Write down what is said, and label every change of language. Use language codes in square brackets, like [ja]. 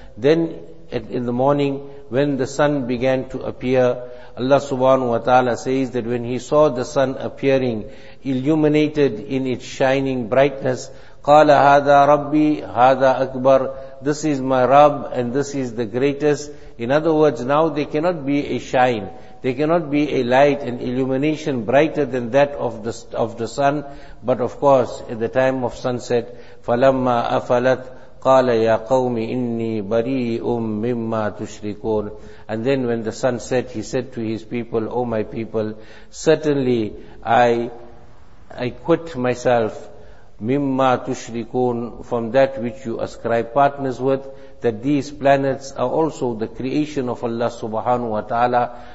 [en] Then in the morning when the sun began to appear, Allah subhanahu wa ta'ala says that when he saw the sun appearing, illuminated in its shining brightness, [ar] قَالَ هَذَا رَبِّي هَذَا أَكْبَر. [en] This is my Rabb and this is the greatest. In other words, now there cannot be a shine, there cannot be a light and illumination brighter than that of the sun. But of course, at the time of sunset, [ar] فَلَمَّا أَفَلَتْ قَالَ يَا قَوْمِ إِنِّي بَرِيءٌ مِمَّا تُشْرِكُونَ. [en] And then when the sun set, he said to his people, O my people, certainly I quit myself, [ar] مِمَّا تُشْرِكُونَ, [en] from that which you ascribe partners with, that these planets are also the creation of Allah subhanahu wa ta'ala.